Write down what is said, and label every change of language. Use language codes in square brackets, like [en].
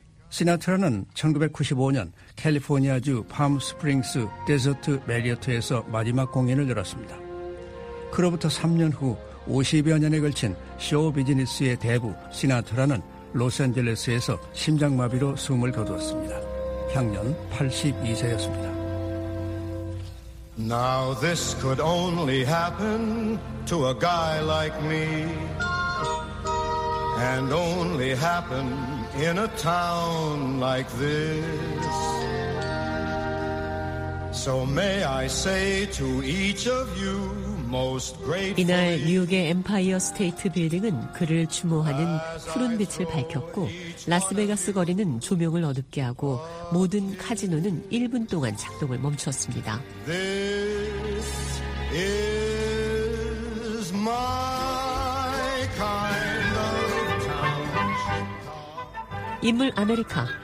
[ko] 시나트라는 1995년 캘리포니아주 팜 스프링스 데저트 메리어트에서 마지막 공연을 열었습니다. 그로부터 3년 후 50여 년에 걸친 쇼 비즈니스의 대부 시나트라는 로스앤젤레스에서 심장마비로 숨을 거두었습니다. 향년 82세였습니다. [en] Now this could only happen to a guy like me and only happen in a town like this. So may I say to each of you [ko] 이날 뉴욕의 엠파이어 스테이트 빌딩은 그를 추모하는 푸른 빛을 밝혔고 라스베가스 거리는 조명을 어둡게 하고 모든 카지노는 1분 동안 작동을 멈췄습니다. [en] This is my kind of town. [ko] 인물 아메리카.